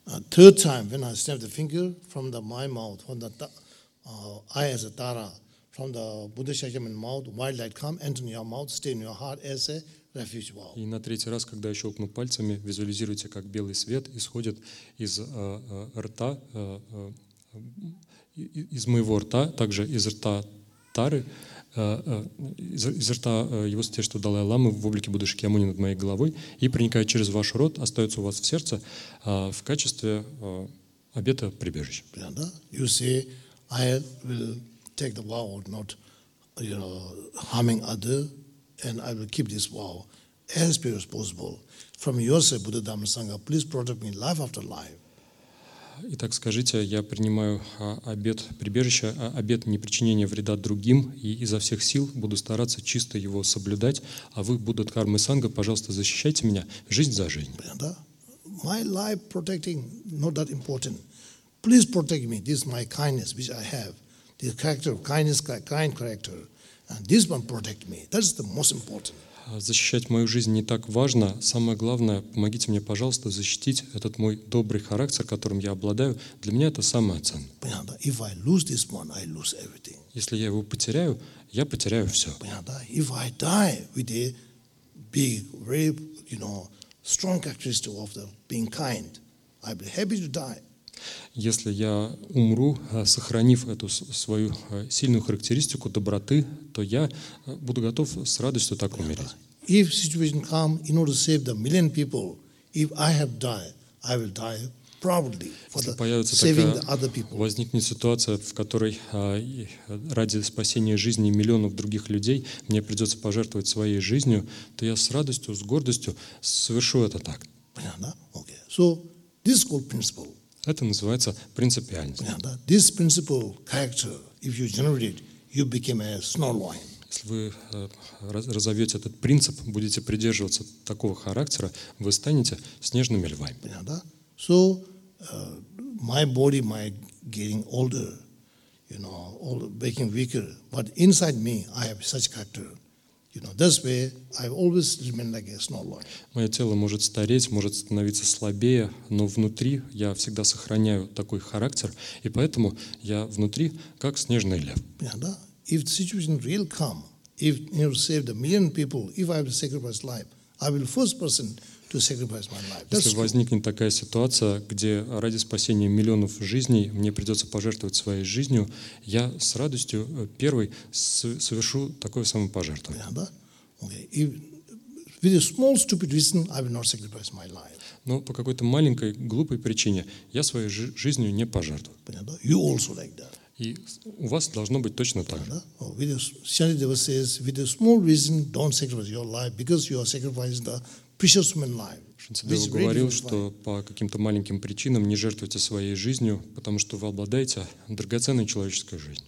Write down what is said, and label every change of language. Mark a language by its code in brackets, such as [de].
[en] Third time when I snap the finger from the my mouth, from the I as a Tara, from the Buddha Shakyamuni mouth, white light come, enter in your mouth, stay in your heart as a [ru] И на третий раз, когда я щелкну пальцами, визуализируйте, как белый свет исходит из рта, из моего рта, также из рта Тары, из рта его святейшества Далай-ламы в облике Будды Шакьямуни над моей головой и проникает через ваш рот, остается у вас в сердце в качестве обета прибежища. [en] You see, I will take the vow of not, you know, harming other, and I will keep this vow. As pure as possible. From yourself, Buddha Dhamma Sangha, please protect me life after life. [ru] Итак, скажите, я принимаю обет прибежища, обет непричинения вреда другим, и изо всех сил буду стараться чисто его соблюдать, а вы, Будда Дхармы Сангха, пожалуйста, защищайте меня жизнь за жизнь. Да? [en] My life protecting not that important. Please protect me. This is my kindness, which I have. This character of kindness, kind character. And this one protect me. That's the most important. [ru] защищать мою жизнь не так важно. Самое главное, помогите мне, пожалуйста, защитить этот мой добрый характер, которым я обладаю. Для меня это самое ценное. Понятно? [en] If I lose this one, I lose everything. [ru] Если я его потеряю, я потеряю все. Понятно? [en] If I die with a big, very, you know, strong characteristic of being kind, I'd be happy to die. [ru] Если я умру, сохранив эту свою сильную характеристику доброты, то я буду готов с радостью так умереть. [en] If situation come in order to save the million people, if I have died, I will die proudly for the saving the other people. [ru] Возникнет ситуация, в которой ради спасения жизни миллионов других людей мне придется пожертвовать своей жизнью, то я с радостью, с гордостью совершу это так. Понятно? [en] Okay. So this is called principle. [ru] Это называется принципиальность. [en] Yeah, this principle character, if you generate it, you become a snow lion. [ru] Если вы разовьете этот принцип, будете придерживаться такого характера, вы станете снежными львами. [en] Yeah, so my body might getting older, you know, older, becoming weaker, but inside me I have such character. You know, this way I always remain like a snow lion. [ru] Мое тело может стареть, может становиться слабее, но внутри я всегда сохраняю такой характер, и поэтому я внутри как снежный лев. [en] Yeah, [ru] да? [en] If the situation really come, if you know, save the million people, if I have to sacrifice life, I will first person to sacrifice my life. [ru] Если возникнет такая ситуация, где ради спасения миллионов жизней мне придется пожертвовать своей жизнью, я с радостью первый совершу такое самопожертвование. [en] Yeah, [ru] да? [en] Okay. If, with a small stupid reason, I will not sacrifice my life. [ru] Но по какой-то маленькой глупой причине я своей жизнью не пожертвую. Понятно? [en] Yeah, [ru] да? [en] You also like that. [ru] И у вас должно быть точно так же. [en] Шанти-дева says, with a small reason, don't sacrifice your life, because you are sacrificing the precious human life. [ru] Шанти-дева говорил, что по каким-то маленьким причинам не жертвуйте своей жизнью, потому что вы обладаете драгоценной человеческой жизнью.